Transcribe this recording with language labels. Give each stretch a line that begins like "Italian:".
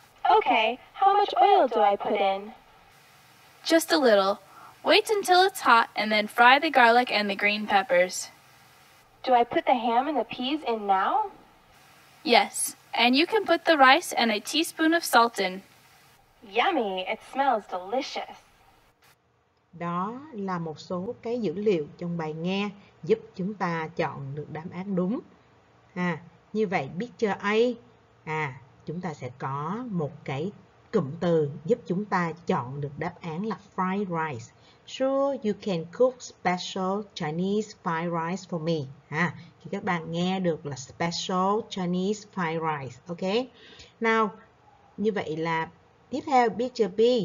English: Okay, how much oil do I put in? Just a little. Wait until it's hot and then fry the garlic and the green peppers. Do I put the ham and the peas in now? Yes, and you can put the rice and a teaspoon of salt in. Yummy, it smells delicious.
Vietnamese: Đó là một số cái dữ liệu trong bài nghe giúp chúng ta chọn được đáp án đúng. Như vậy,
English: picture A,
Vietnamese: chúng ta sẽ có một cái cụm từ giúp chúng ta chọn được đáp án là
English: fried rice. Sure, you can cook special Chinese fried rice for me.
Vietnamese: Thì các bạn nghe được là
English: special Chinese fried rice. Ok. Now,
Vietnamese: như vậy là tiếp theo
English: picture B.